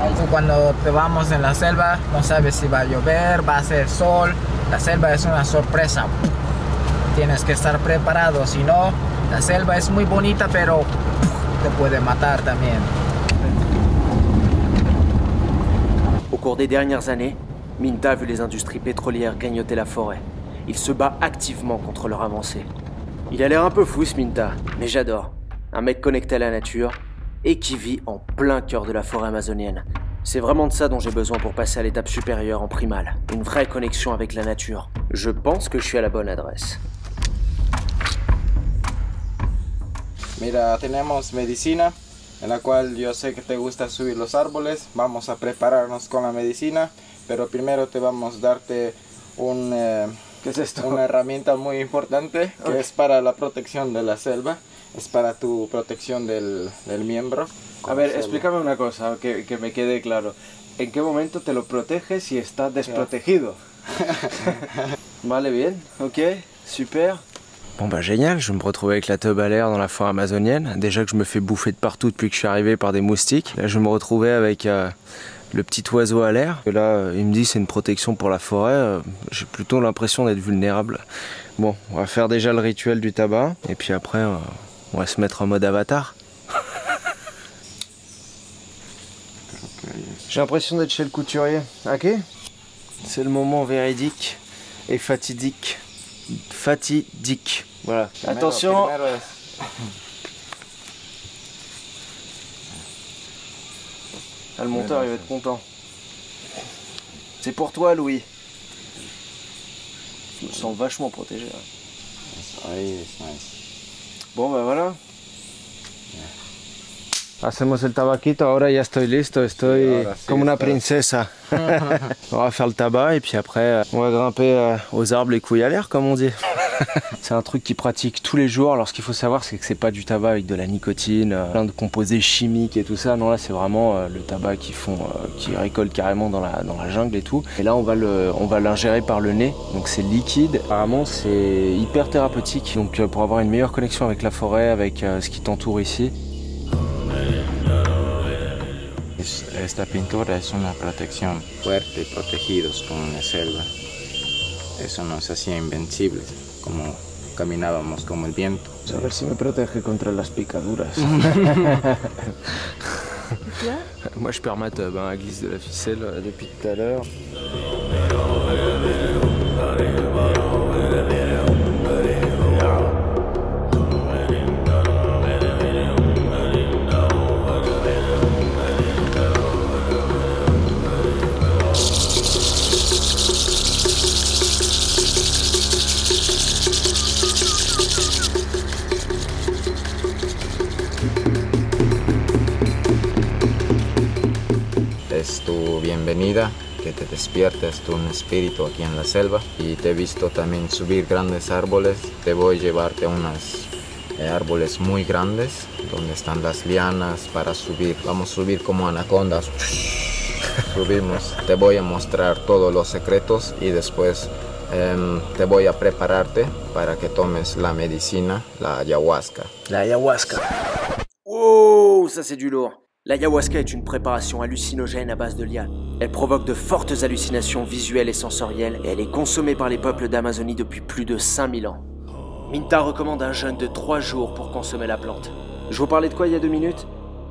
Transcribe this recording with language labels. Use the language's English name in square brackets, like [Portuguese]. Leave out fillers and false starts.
[Spanish] Cuando te vamos en la selva, no sabes si va a llover, va a hacer sol. La selva es una sorpresa. Tienes que estar preparado, si no, la selva es muy bonita, pero te puede matar también. [French] Au cours des dernières années, Minta a vu les industries pétrolières grignoter la forêt. Il se bat activement contre leur avancée. Il a l'air un peu fou, ce Minta, mais j'adore. Un mec connecté à la nature et qui vit en plein cœur de la forêt amazonienne. C'est vraiment de ça dont j'ai besoin pour passer à l'étape supérieure en primal. Une vraie connexion avec la nature. Je pense que je suis à la bonne adresse. [Spanish] Mira, tenemos medicina, en la cual yo sé que te gusta subir los árboles. Vamos a prepararnos con la medicina, pero primero te vamos a darte un, ¿qué es esto? Una herramienta muy importante, que okay. Es para la protección de la selva. Es para tu protección del miembro. A ver, explícame una cosa, que me quede claro. ¿En qué momento te lo proteges si estás desprotegido? Vale, bien, ok, super. [French] Bon bah génial, je me retrouve avec la teub à l'air dans la forêt amazonienne. Déjà que je me fais bouffer de partout depuis que je suis arrivé par des moustiques. Là je me retrouvais avec le petit oiseau à l'air. Et là il me dit c'est une protection pour la forêt. J'ai plutôt l'impression d'être vulnérable. Bon, on va faire déjà le rituel du tabac. Et puis après on va se mettre en mode avatar. J'ai l'impression d'être chez le couturier. Ok. C'est le moment véridique et fatidique. Fatidique. Voilà. [Spanish] Primero, [French] attention. Ah, le monteur, il va être content. C'est pour toi, Louis. Je me sens vachement protégé. Oui, c'est nice. Bon, ben voilà. [Spanish] Hacemos el tabaquito, ahora ya estoy listo, estoy como una princesa. [French] On va faire le tabac et puis après on va grimper aux arbres les couilles à l'air comme on dit. C'est un truc qu'ils pratiquent tous les jours. Alors ce qu'il faut savoir c'est que c'est pas du tabac avec de la nicotine, plein de composés chimiques et tout ça. Non là c'est vraiment le tabac qu'ils font, qu'ils récoltent carrément dans la jungle et tout. Et là on va l'ingérer par le nez, donc c'est liquide. Apparemment c'est hyper thérapeutique, donc pour avoir une meilleure connexion avec la forêt, avec ce qui t'entoure ici. [Spanish] Esta pintura es una protección fuerte, protegidos como una selva. Eso nos hacía invencibles, como caminábamos como el viento. A ver si me protege contra las picaduras. [French] Moi je perds ma teub, hein, glisse de la ficelle depuis tout à l'heure. [English] Thank you. [Spanish] tu bienvenida, que te despiertes tú un espíritu aquí en la selva. Y te he visto también subir grandes árboles. Te voy a llevarte unas árboles muy grandes, donde están las lianas para subir. Vamos a subir como anacondas. Subimos. Te voy a mostrar todos los secretos y después te voy a prepararte para que tomes la medicina, la ayahuasca. La ayahuasca. [French] Wow, ça c'est du lourd. La ayahuasca est une préparation hallucinogène à base de lianes. Elle provoque de fortes hallucinations visuelles et sensorielles et elle est consommée par les peuples d'Amazonie depuis plus de 5000 ans. Minta recommande un jeûne de 3 jours pour consommer la plante. Je vous parlais de quoi il y a 2 minutes ?